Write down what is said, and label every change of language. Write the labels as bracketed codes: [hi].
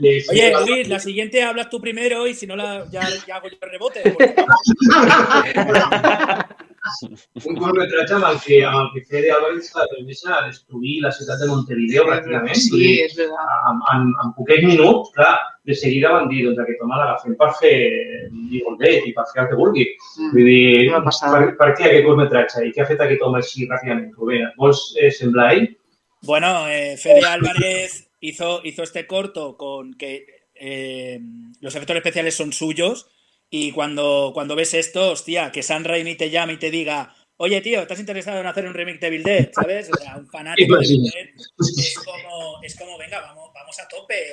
[es] Oye, Luis, la siguiente hablas tú primero y si no ya hago yo el rebote. Porque... [ca] Un curtmetratge amb el que Fede Álvarez va permetre destruir la ciutat de Montevideo, pràcticament. Sí, és veritat. En poquets minuts, clar, de seguida van dir doncs, que toma l'agafem per fer Nicolet i per fer el que vulgui. Vull dir, per què aquest curtmetratge i què ha fet aquest home així ràpidament? Rubén, vols semblar ell? [es] Bueno, Fede Álvarez hizo este corto con que los efectos especiales son suyos y cuando ves esto, hostia, que Sam Raimi te llame y te diga, oye tío, ¿estás interesado en hacer un remake de Evil Dead? ¿Sabes? O sea, un fanático de Evil Dead. Es como, venga, vamos a tope.